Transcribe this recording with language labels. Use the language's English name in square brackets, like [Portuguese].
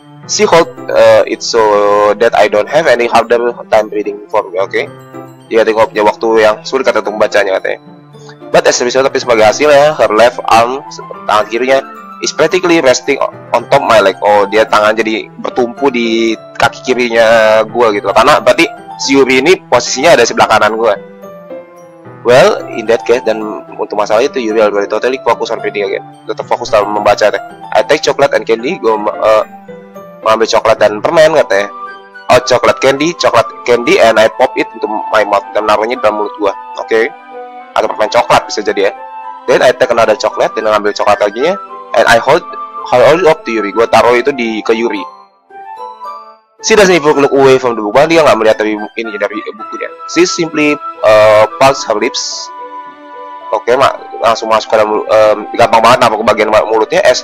[English] She hold it so that I don't have any harder time reading for me, okay? [Indonesian] Dia katanya gue punya waktu yang sulit kata untuk membacanya katanya. [English] But as a result, [Indonesian] tapi sebagai hasilnya, [English] her left arm, [Indonesian] tangan kirinya, [English] is practically resting on top my leg. [Indonesian] Oh, dia tangan jadi bertumpu di kaki kirinya gue gitu. Karena berarti si Yuri ini posisinya ada sebelah kanan gue. [English] Well, in that case, [Indonesian] dan untuk masalah itu Yuri [English] already totally focus on reading again. [Indonesian] Tetap fokus dalam membaca teh. [English] I take chocolate and candy. [Indonesian] Gue mengambil coklat dan permen katanya. [English] Oh, chocolate candy and I pop it into my mouth. [Indonesian] Dan naruhnya dalam mulut gue. Oke, okay. Atau permen coklat bisa jadi ya. [English] Then I take another chocolate [Indonesian] dan ngambil coklat lagi ya. [English] And I hold it up to Yuri. [Indonesian] Gue taruh itu di ke Yuri. [English] She doesn't even look away from the book. [Indonesian] Bahkan dia gak melihat tapi ini dari bukunya. [English] She simply pulse her lips. [Indonesian] Oke, okay, mak, langsung masuk ke dalam mulut. Gampang banget nampak ke bagian mulutnya.